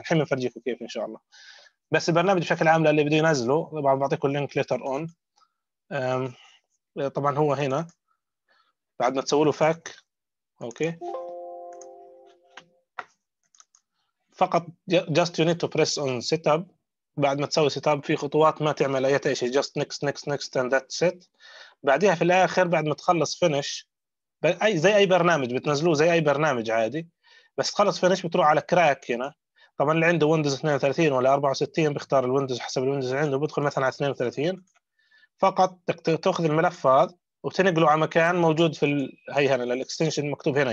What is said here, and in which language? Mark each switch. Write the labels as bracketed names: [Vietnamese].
[Arabic] الحين بنفرجيكم كيف إن شاء الله. بس البرنامج بشكل عام اللي بده ينزله بعطيكم اللينك ليتر أون. طبعا هو هنا بعد ما تسوي له فاك. [English] Okay, فقط just you need to press on setup. [Arabic] بعد ما تسوي سيت اب في خطوات ما تعمل اي شيء، [English] جاست نيكست نيكست نيكست اند ذات ست. [Arabic] بعديها في الاخر بعد ما تخلص فينش، اي زي اي برنامج بتنزلوه زي اي برنامج عادي، بس تخلص فينش بتروح على كراك هنا. طبعا اللي عنده ويندوز 32 ولا 64 بيختار الويندوز حسب الويندوز اللي عنده، بيدخل مثلا على 32 فقط، تاخذ الملف هذا وتنقله على مكان موجود في هي هنا للاكستنشن مكتوب هنا.